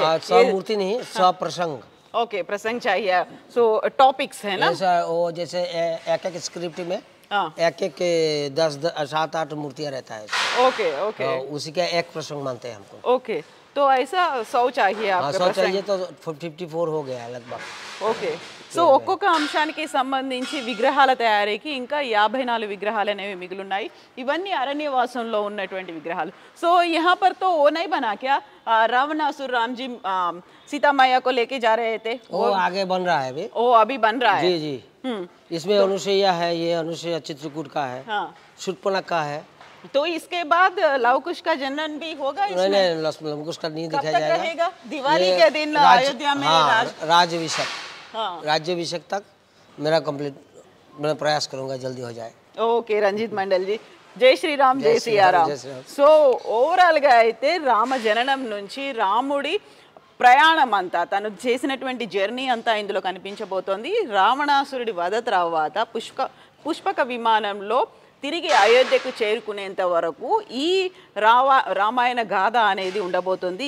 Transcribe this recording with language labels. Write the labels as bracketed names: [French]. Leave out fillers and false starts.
[Hindi] 100 मूर्ति नहीं, 100 प्रसंग. ओके, प्रसंग चाहिए. सो टॉपिक्स है ना, जैसे वो जैसे एक एक स्क्रिप्ट में एक एक 10-7-8 मूर्तियां रहता है. ओके ओके, उसी का एक प्रसंग मानते हैं हमको. ओके, तो ऐसा 100 चाहिए आपको. 100 चाहिए तो 54 हो गया लगभग. [Telugu] ओके, सो ఒక్కొక్క का అంశానికి సంబంధించి విగ్రహాల తయారీకి ఇంకా 54 విగ్రహాలు అనేవి మిగిలి ఉన్నాయి. ఇవన్నీ అరణ్యవాసంలో ఉన్నటువంటి విగ్రహాలు. [Hindi] సో यहां पर तो वो नहीं बना क्या, रावणासुर राम जी सीता मैया को लेके जा रहे थे. ओ, आगे बन रहा है अभी. ओ, अभी बन रहा है. जी जी. इसमें अनुसुईया है, ये अनुसुईया चित्रकूट का है. हाँ, शूर्पणखा का है. तो इसके बाद लवकुश का जनन भी होगा इसमें? नहीं नहीं, लवकुश का नहीं दिखाया जाएगा. दिवाली के दिन अयोध्या में राज्यभिषेक. राज्यभिषेक तक मेरा कंप्लीट, मैं प्रयास करूंगा जल्दी हो जाए. ओके, रंजीत मंडल जी, जय श्री राम, जय सियाराम. [Telugu] सो ओवरऑल గా అయితే రామ జననం నుంచి రాముడి ప్రయాణం అంతా, తను చేసినటువంటి జర్నీ అంతా ఇందులో కనిపించబోతోంది. రావణాసురుడి వధ తర్వాత పుష్పక విమానంలో తిరిగి అయోధ్యకు చేరుకునేంత వరకు ఈ రామాయణ గాథ అనేది ఉండబోతోంది.